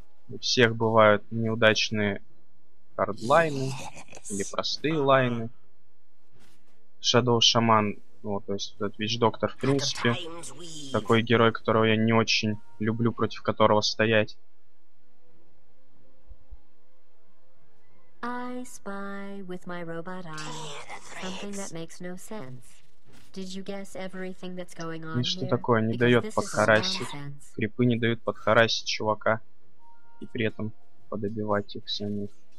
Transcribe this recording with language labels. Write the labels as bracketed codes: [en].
[ru] У всех бывают неудачные хардлайны, [en] yes. [ru] Или простые лайны. Shadow Shaman, ну, то есть этот Вич-Доктор, в принципе, такой герой, которого я не очень люблю, против которого стоять. [en] I spy with my robot eye something that makes no sense. Did you guess everything that's going on? [ru] Что такое? Не дает подхарасить. Крипы не дают подхарасить чувака и при этом подобивать их самих.